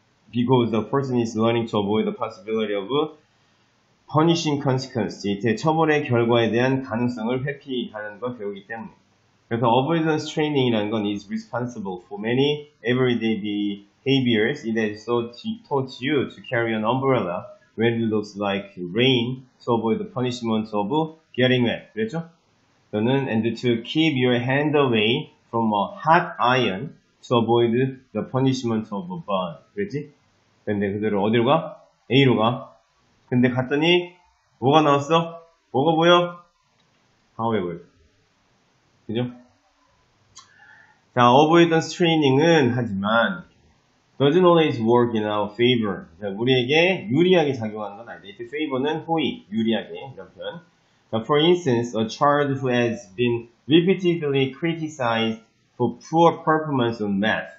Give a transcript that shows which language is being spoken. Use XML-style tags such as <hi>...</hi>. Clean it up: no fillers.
<en>Because the person is learning to avoid the possibility of punishing consequence.</en> <ko>이때 처벌의 결과에 대한 가능성을 회피하는 걸 배우기 때문에.</ko> <en>그래서 avoidance training이라는 건 is responsible for many everyday behaviors. It has so taught you to carry an umbrella when it looks like rain to avoid the punishment of getting wet.</en> <ko>그랬죠? 또는</ko> <en>and to keep your hand away from a hot iron to avoid the punishment of a burn.</en> <ko>그랬지? 근데 그대로 어디로 가? A로 가. 근데 갔더니 뭐가 나왔어? 뭐가 보여? 하우에 보여. 그죠?</ko> <en>자, avoidance training은 하지만 doesn't always work in our favor.</en> <ko>자, 우리에게 유리하게 작용하는 건 아니다. 이때 favor는 호의, 유리하게 이런 표현.</ko> <en>자, for instance, a child who has been repeatedly criticized for poor performance on math.</en>